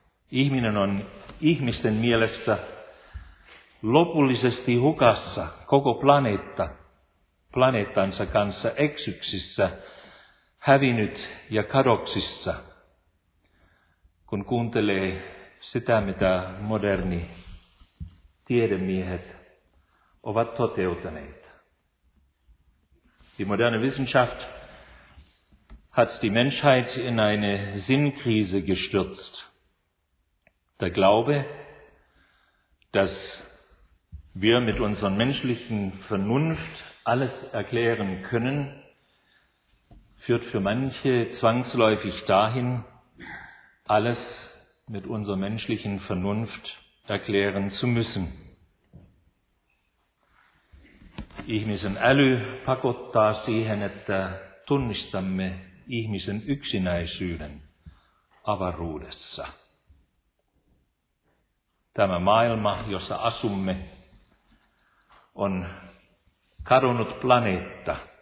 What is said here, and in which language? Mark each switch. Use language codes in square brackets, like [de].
[fi] Ihminen on ihmisten mielessä lopullisesti hukassa, koko planeettansa kanssa eksyksissä, hävinnyt ja kadoksissa, kun kuuntelee sitä, mitä moderni tiedemiehet ovat toteutuneet. [de] Die moderne Wissenschaft hat die Menschheit in eine Sinnkrise gestürzt. Der Glaube, dass wir mit unserer menschlichen Vernunft alles erklären können, führt für manche zwangsläufig dahin, alles mit unserer menschlichen Vernunft erklären zu müssen. [fi] Ihmisen äly pakottaa siihen, että tunnistamme ihmisen yksinäisyyden avaruudessa. Tämä maailma, jossa asumme, on kadonnut planeetta.